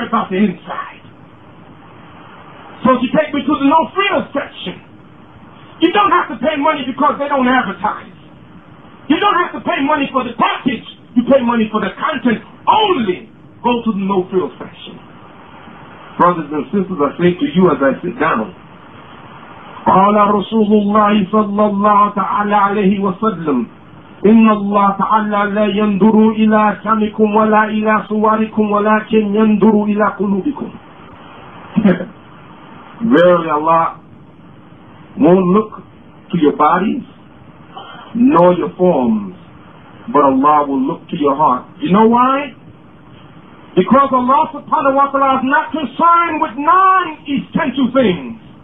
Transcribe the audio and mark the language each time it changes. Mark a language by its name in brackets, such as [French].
[English] the inside. So if you take me to the no frills section, you don't have to pay money because they don't advertise. You don't have to pay money for the package. You pay money for the content only. Go to the no frills section. Brothers and sisters, I say to you as I sit down, [Arabic] قال رسول الله صلى الله تعالى عليه وسلم إن الله تعالى لا ينظر إلى أجسامكم ولا إلى صوركم ولكن ينظر إلى قلوبكم. [English] Verily Allah won't look to your bodies nor your forms, but Allah will look to your heart. You know why? Because Allah subhanahu wa ta'ala is not concerned with non-essential things.